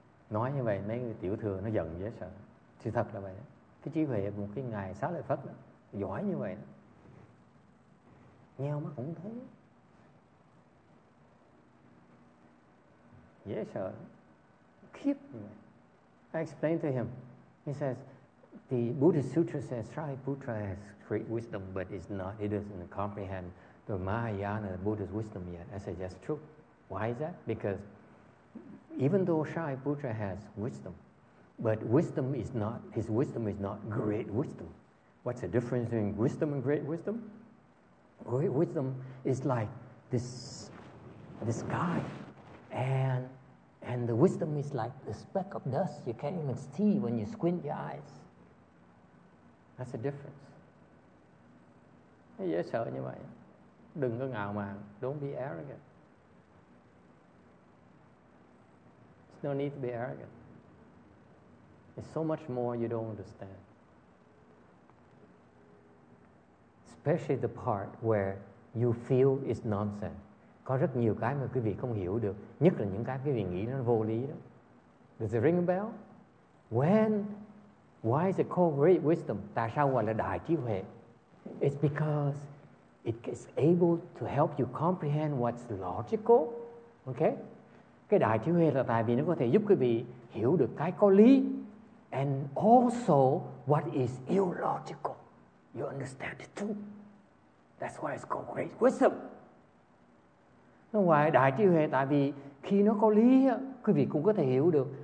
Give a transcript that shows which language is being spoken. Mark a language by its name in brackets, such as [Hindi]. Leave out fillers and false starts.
[Vietnamese] Nói như vậy mấy người tiểu thừa nó giận dễ sợ. Thì thật là vậy đó. Cái trí huệ một cái ngài Xá Lợi Phất đó, giỏi như vậy đó, nheo mắt cũng thấy, dễ sợ, khiếp. [English] I explained to him. He says, the Buddhist sutra says Shariputra has great wisdom, but it's not, it doesn't comprehend the Mahayana, the Buddhist wisdom yet. I said, that's true. Why is that? Because even though Shariputra has wisdom, but wisdom is not, his wisdom is not great wisdom. What's the difference between wisdom and great wisdom? Great wisdom is like this guy. And the wisdom is like the speck of dust you can't even see when you squint your eyes. That's the difference. [Vietnamese] Dễ sợ như vậy. Đừng có ngạo mạn. [English] Don't be arrogant. There's no need to be arrogant. There's so much more you don't understand. Especially the part where you feel is nonsense. [Vietnamese] Có rất nhiều cái mà quý vị không hiểu được, nhất là những cái quý vị nghĩ nó vô lý đó. [English] Does it ring a bell? When? Why is it called great wisdom? [Vietnamese] Tại sao gọi là đại trí huệ? [English] It's because it is able to help you comprehend what's logical. Okay? [Vietnamese] Cái đại trí huệ là tại vì nó có thể giúp quý vị hiểu được cái có lý. [English] And also what is illogical. You understand it too. That's why it's called great wisdom. [Vietnamese] Nó ngoài đại trí huệ tại vì khi nó có lý á, quý vị cũng có thể hiểu được.